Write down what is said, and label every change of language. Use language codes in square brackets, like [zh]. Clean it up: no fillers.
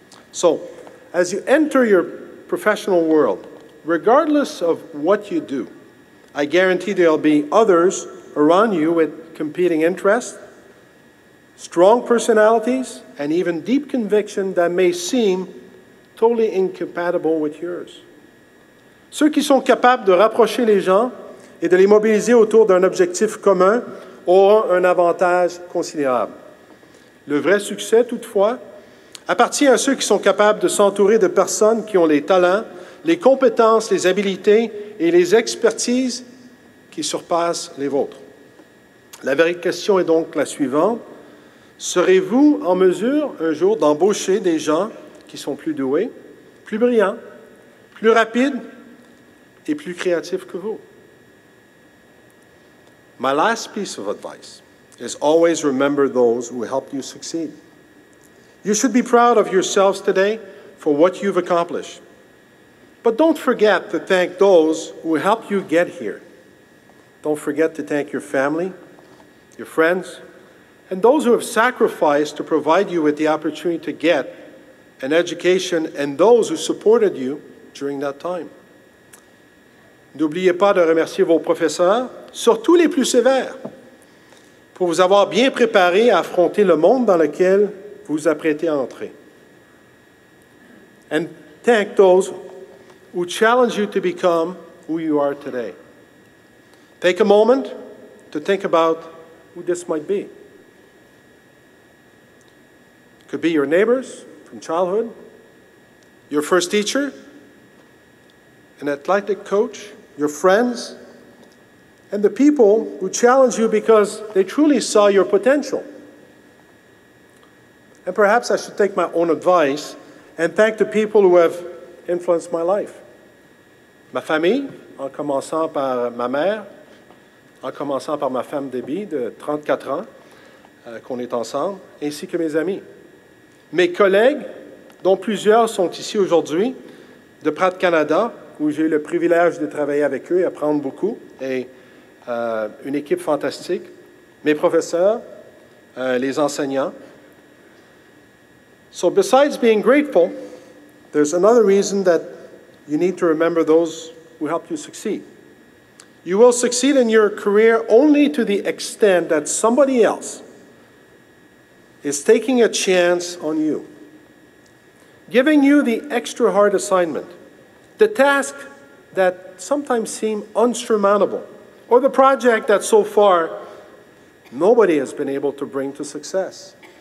[en] So, as you enter your professional world, regardless of what you do, I guarantee there'll be others around you with competing interests, strong personalities, and even deep conviction that may seem totally incompatible with yours. [fr] Ceux qui sont capables de rapprocher les gens et de les mobiliser autour d'un objectif commun auront un avantage considérable. Le vrai succès, toutefois, appartient à ceux qui sont capables de s'entourer de personnes qui ont les talents, les compétences, les habilités et les expertises qui surpassent les vôtres. La vraie question est donc la suivante. Serez-vous en mesure, un jour, d'embaucher des gens qui sont plus doués, plus brillants, plus rapides et plus créatifs que vous? [en] My last piece of advice is always remember those who helped you succeed. You should be proud of yourselves today for what you've accomplished. But don't forget to thank those who helped you get here. Don't forget to thank your family, your friends, and those who have sacrificed to provide you with the opportunity to get an education, and those who supported you during that time. [fr] N'oubliez pas de remercier vos professeurs, surtout les plus sévères, pour vous avoir bien préparé à affronter le monde dans lequel vous vous apprêtez à entrer. [en] And thank those who challenge you to become who you are today. Take a moment to think about who this might be. It could be your neighbors from childhood, your first teacher, an athletic coach, your friends, and the people who challenge you because they truly saw your potential. And perhaps I should take my own advice and thank the people who have influenced my life. [fr] Ma famille, en commençant par ma mère, en commençant par ma femme Debbie de 34 ans, qu'on est ensemble, ainsi que mes amis. Mes collègues, dont plusieurs sont ici aujourd'hui, de Pratt Canada, où j'ai eu le privilège de travailler avec eux et apprendre beaucoup, et une équipe fantastique. Mes professeurs, les enseignants. [en] So besides being grateful, there's another reason that you need to remember those who helped you succeed. You will succeed in your career only to the extent that somebody else is taking a chance on you, giving you the extra hard assignment, the task that sometimes seem insurmountable, or the project that so far nobody has been able to bring to success.